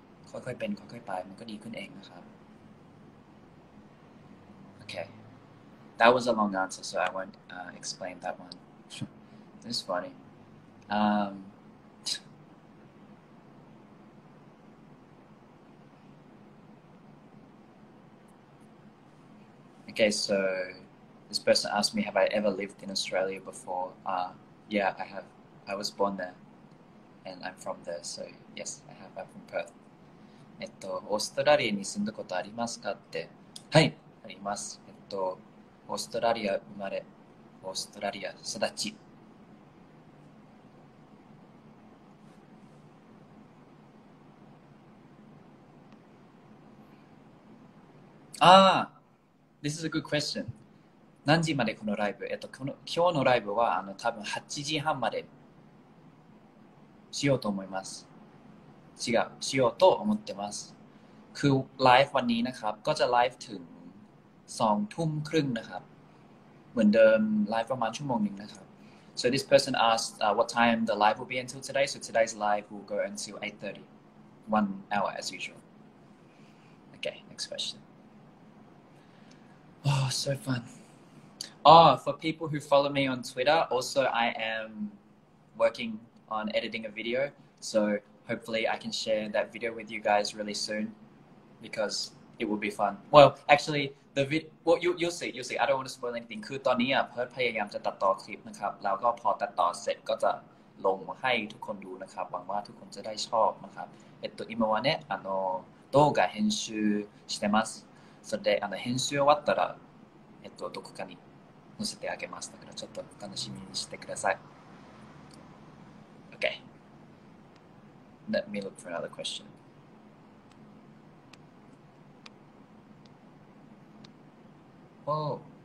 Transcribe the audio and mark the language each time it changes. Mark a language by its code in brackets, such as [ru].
[th] ค่อยๆเป็นค่อยๆไปมันก็ดีขึ้นเองนะครับโอเค [en] that was a long answer so I won't explain that one this is funny okay so this person asked me have I ever lived in Australia before yeah I haveI was born there, and I'm from there. So yes, I have. I'm from Perth. [ja] オーストラリアに住んだことありますかって。はい、あります。オーストラリア生まれ、オーストラリア育ち。ああ、 [en] this is a good question. [ja] 何時までこのライブ？この今日のライブは多分8時半まで。しようと思います。違う、しようと思ってます。 [th] คือไลฟ์วันนี้นะครับก็จะไลฟ์ถึง2:30นะครับเหมือนเดิมไลฟ์ประมาณชั่วโมงหนึ่งนะครับ [en] So this person asked what time the live will be until today. So today's live will go until 8:30, 1 hour as usual. Okay, next question. Oh, so fun. Oh, for people who follow me on Twitter, also I am working on editing a video. So hopefully I can share that video with you guys really soon because it will be fun. Well, actually, the vid well you'll see. I don't want to spoil anything. [th] คือตอนนี้อ่ะเพิร์ทพยายามจะตัดต่อคลิปนะครับแล้วก็พอตัดต่อเสร็จก็จะลงให้ทุกคนดูนะครับหวังว่าทุกคนจะได้ชอบนะครับตัว [ja] 今はねあの動画編集してますそれであの編集終わったらどこかに載せてあげますだからちょっと楽しみにしてください [en] OK Let me look for another questionOh.